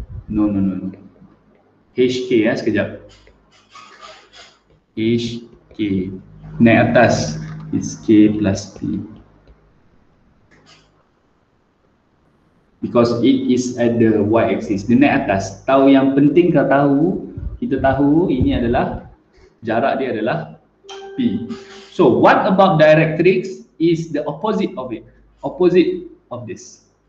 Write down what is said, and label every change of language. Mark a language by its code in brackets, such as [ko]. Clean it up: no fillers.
[en] No, no, no, no. HK [ms] ya, sekejap. [en] HK [ms] naik atas [en] is K plus P, because it is at the y axis. [ms] Dia naik atas. Tahu yang penting kau tahu, kita tahu ini adalah jarak dia adalah P. [en] So what about directrix is the opposite of it, opposite of this.